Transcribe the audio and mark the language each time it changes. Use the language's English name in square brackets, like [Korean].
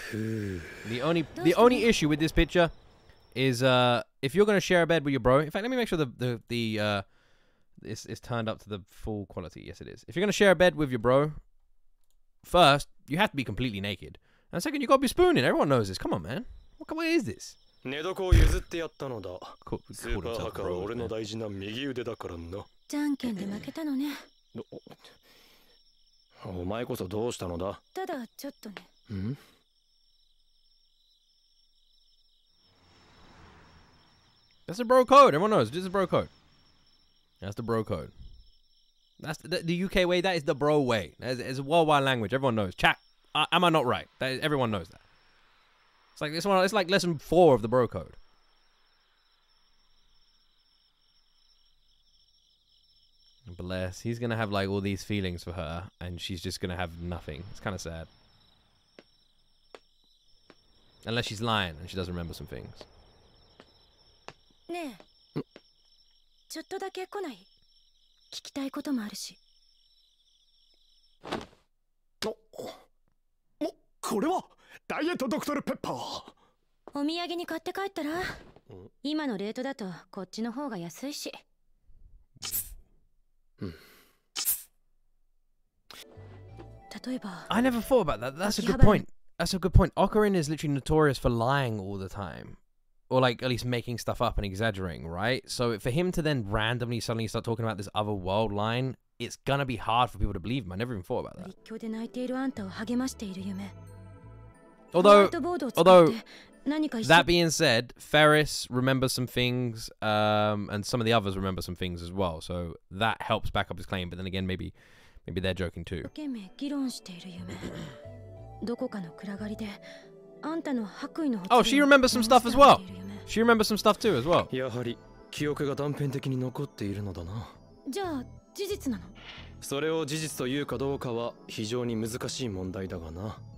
[English] The only issue with this picture is if you're gonna share a bed with your bro. In fact, let me make sure it's turned up to the full quality. Yes, it is. If you're gonna share a bed with your bro, first you have to be completely naked. And second, you gotta be spooning. Everyone knows this. Come on, man. What is this? [Japanese] 寝床を譲ってやったのだ。スーパーハカは俺の大事な右腕だからな。じゃんけんで負けたのね。お前こそどうしたのだ。ただちょっとね。ん？ [English] That's a bro code. Everyone knows. This is a bro code. That's the bro code. That's the UK way. That is the bro way. It's a worldwide language. Everyone knows. Chat. Am I not right? That is, everyone knows that. It's like this one. It's like lesson four of the bro code. Bless. He's gonna have like all these feelings for her, and she's just gonna have nothing. It's kind of sad. Unless she's lying and she doesn't remember some things. [Japanese] ねえ、ちょっとだけ来ない。聞きたいこともあるし。これはダイエットドクトルペッパー。お土産に買って帰ったら、今のレートだとこっちの方が安いし。例えば。 [English] I never thought about that. That's a good point. That's a good point. Ocarin is literally notorious for lying all the time, or like at least making stuff up and exaggerating, right? So for him to then randomly suddenly start talking about this other world line, it's gonna be hard for people to believe him. I never even thought about that. [Japanese] 立教で泣いているあんたを励ましている夢。 [English] Although, that being said, Ferris remembers some things, and some of the others remember some things as well. So that helps back up his claim. But then again, maybe they're joking too. [Japanese] 一生懸命議論している夢。どこかの暗がりで、あんたの白衣の。 [English] Oh, she remembers some stuff as well. She remembers some stuff too as well. [Japanese] やはり記憶が断片的に残っているのだな。じゃあ事実なの？それを事実というかどうかは非常に難しい問題だがな。